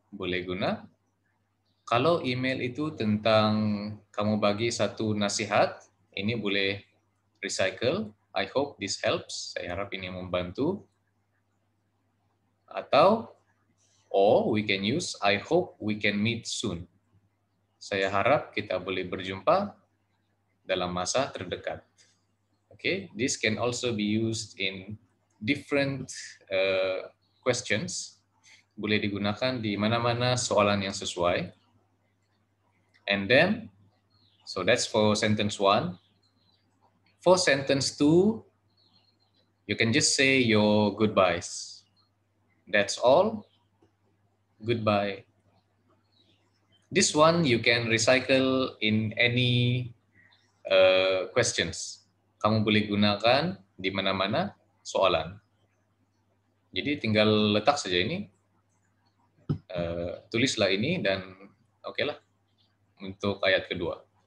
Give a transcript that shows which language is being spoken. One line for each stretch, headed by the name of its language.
Malay: Boleh guna. Kalau email itu tentang kamu bagi satu nasihat, ini boleh recycle.
English: I hope this helps.
Malay: Saya harap ini membantu.
English: Atau, or we can use, I hope we can meet soon.
Malay: Saya harap kita boleh berjumpa dalam masa terdekat.
English: Okay, this can also be used in different questions.
Malay: Boleh digunakan di mana-mana soalan yang sesuai.
English: And then, so that's for sentence 1. For sentence 2, you can just say your goodbyes. That's all. Goodbye. This one you can recycle in any questions.
Malay: Kamu boleh gunakan di mana-mana soalan. Jadi tinggal letak saja ini. Tulislah ini dan okelah untuk ayat kedua.